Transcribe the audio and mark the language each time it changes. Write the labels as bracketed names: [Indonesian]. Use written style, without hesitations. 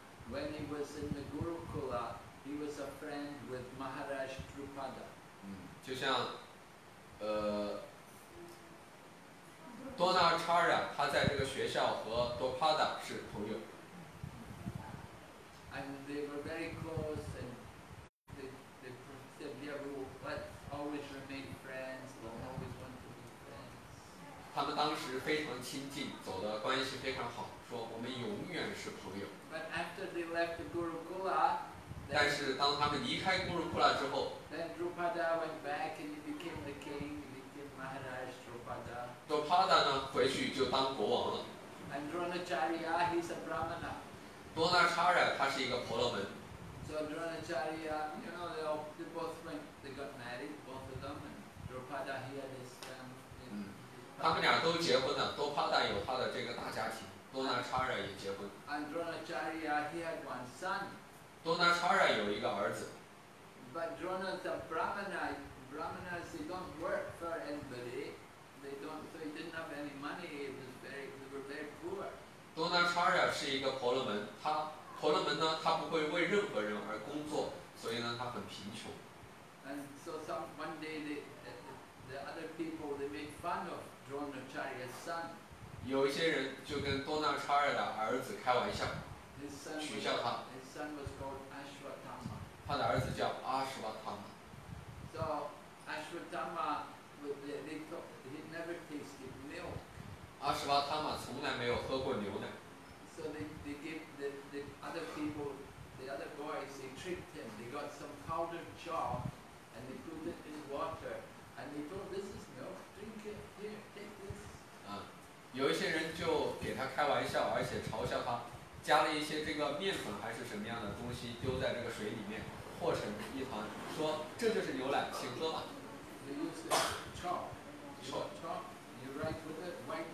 [English] When he was in the Gurukula, he was a friend with Maharaj Drupada. [Chinese] 就像多纳查尔亚，他在这个学校和多帕达是朋友。 [English] And they were very close, and they persevered, but always remained friends, and always wanted to be friends. [Chinese] 他们当时非常亲近，走的关系非常好，说我们永远是朋友。 [English] But after they left Gurukula, [Chinese] 但是当他们离开 Gurukula 之后 [English] ，Then Drupada went back and he became the king. He became Maharaj. [Chinese] 多帕达呢，回去就当国王了。 [English] Dronacharya, he's a brahmana. [Chinese] 多纳查尔亚，他是一个婆罗门。 [English] So Dronacharya, you know, they both went, they got married, both of them. And Drupada, he had his family. [Chinese] 他们俩都结婚了。多帕达有他的这个大家庭，多纳查尔亚也结婚。 [English] And Dronacharya, he had one son. [Chinese] 多纳查尔亚有一个儿子。 [English] But Drona, the brahmana, Brahmanas, they don't work for anybody. They don't, so he didn't have any money. They were very poor. [Chinese] 多纳查尔是一个婆罗门，他婆罗门呢，他不会为任何人而工作，所以呢，他很贫穷。 [English] And so some one day the other people they made fun of Dronacharya's son. [Chinese] 有一些人就跟多纳查尔的儿子开玩笑，取笑他。 [English] His son was called Ashwatthama. [Chinese] 他的儿子叫阿什瓦塔玛。 [English] So Ashwatthama, he never tasted milk. [Chinese] 阿什瓦塔玛从来没有喝过牛奶。 [English] So they gave the other people, the other boys, they tricked him. They got some powdered chalk. And they put it in water, and they thought, "This is milk. Drink it. Here, take this." [Chinese] 啊，有一些人就给他开玩笑，而且嘲笑他，加了一些这个面粉还是什么样的东西，丢在这个水里面，和成一团，说这就是牛奶，请喝吧。 [English] They use the chalk. Chalk. You write with it white.